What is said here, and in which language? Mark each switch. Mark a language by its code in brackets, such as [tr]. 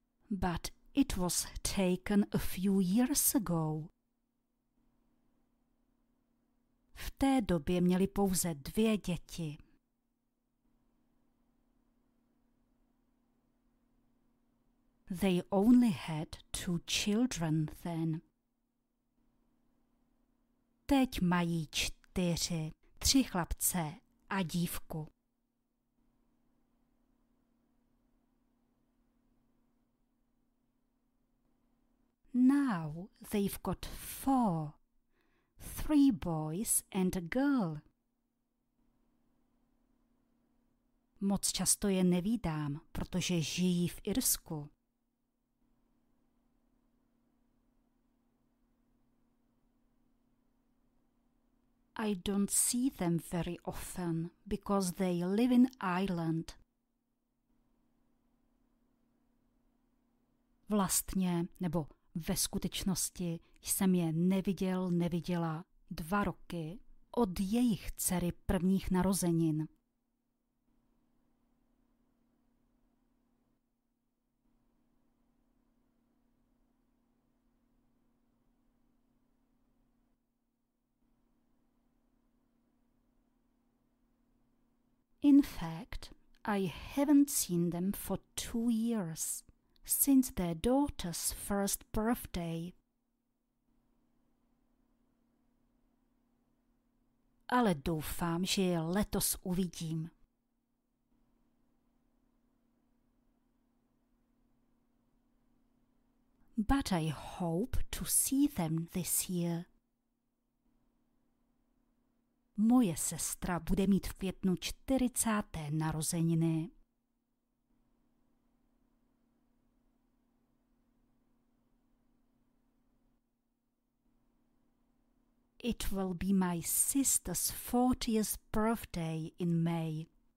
[en] But it was taken a few years ago. [cs] V té době měli pouze dvě děti. [en] They only had two children then. [cs] Teď mají čtyři, tři chlapce a dívku. [en] Now they've got four, three boys and a girl. [cs] Moc často je nevídám, protože žijí v Irsku. [en] I don't see them very often because they live in Ireland. [cs] Vlastně, nebo ve skutečnosti, jsem je neviděla dva roky od jejich dcery prvních narozenin. [en] In fact, I haven't seen them for 2 years, since their daughter's first birthday. [cs] Ale doufám, že je letos uvidím. [en] But I hope to see them this year. [cs] Moje sestra bude mít v květnu 40. narozeniny. [en] It will be my sister's 40th birthday in May.